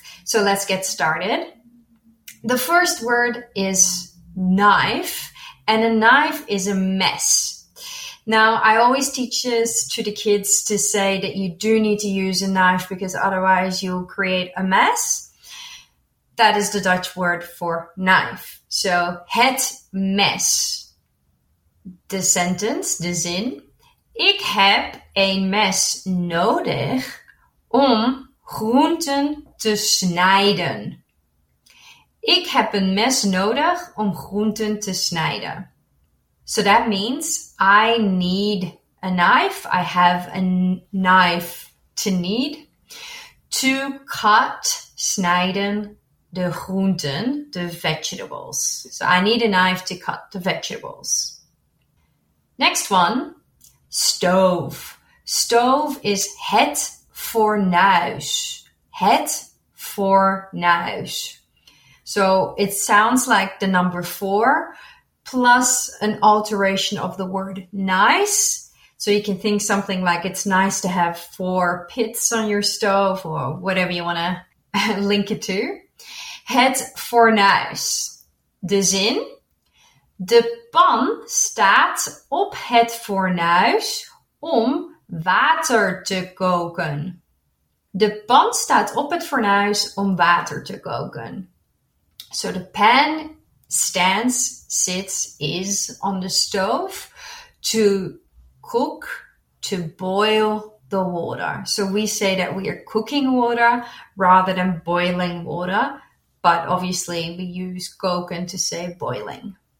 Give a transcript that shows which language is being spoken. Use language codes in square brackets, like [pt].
[en] So let's get started. The first word is knife, and a knife is a mess. Now, I always teach this to the kids to say that you do need to use a knife because otherwise you'll create a mess. That is the Dutch word for knife. So het mes, the sentence, the zin. [nl] Ik heb een mes nodig om groenten te snijden. Ik heb een mes nodig om groenten te snijden. [en] So that means I need a knife. I have a knife to need to cut, [nl] snijden, de groenten, [en] the vegetables. So I need a knife to cut the vegetables. Next one, stove. Stove is het fornuis. [nl] Het fornuis. [en] So it sounds like the number four plus an alteration of the word nice. So you can think something like it's nice to have four pits on your stove or whatever you want to link it to. [nl] Het fornuis. De zin. De pan staat op het fornuis om water te koken. De pan staat op het fornuis om water te koken. [en] So the pan stands, sits, is on the stove to cook, to boil the water. So we say that we are cooking water rather than boiling water. But obviously, we use koken to say boiling.